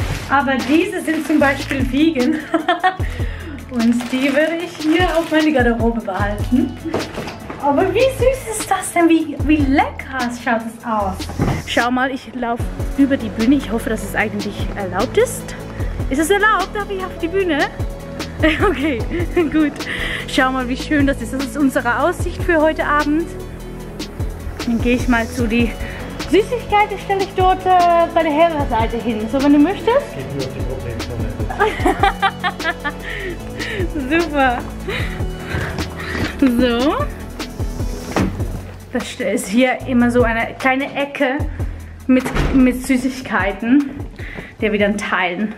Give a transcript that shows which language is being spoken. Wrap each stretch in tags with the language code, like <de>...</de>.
<de>Aber diese sind zum Beispiel vegan und die würde ich hier auf meine Garderobe behalten. Aber wie süß ist das denn? Wie lecker schaut es aus? Schau mal, ich laufe über die Bühne. Ich hoffe, dass es eigentlich erlaubt ist.</de> <en>Is this allowed that we have the</en> <de>Bühne? Okay, gut. Schau mal, wie schön das ist. Das ist unsere Aussicht für heute Abend. Dann gehe ich mal zu die Süßigkeit, die stelle ich dort bei der Herren Seite hin. So, wenn du möchtest. Super. So. Das ist hier immer so eine kleine Ecke mit Süßigkeiten, der wir dann teilen.</de>